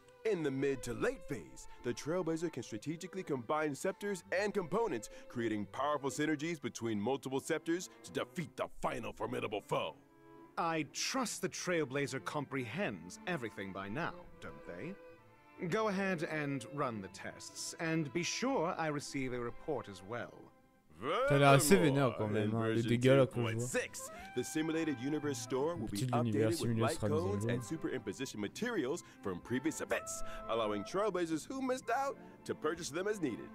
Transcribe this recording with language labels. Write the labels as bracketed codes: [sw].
[en] In the mid to late phase, the Trailblazer can strategically combine scepters and components, creating powerful synergies between multiple scepters to defeat the final formidable foe. I trust the Trailblazer comprehends everything by now, don't they? Go ahead and run the tests, and be sure I receive a report as well. [fr] T'as l'air assez vénère quand même, hein, les dégâts là qu'on voit. [en] The simulated universe store will be updated with light codes and superimposition materials from previous events, allowing Trailblazers who missed out to purchase them as needed.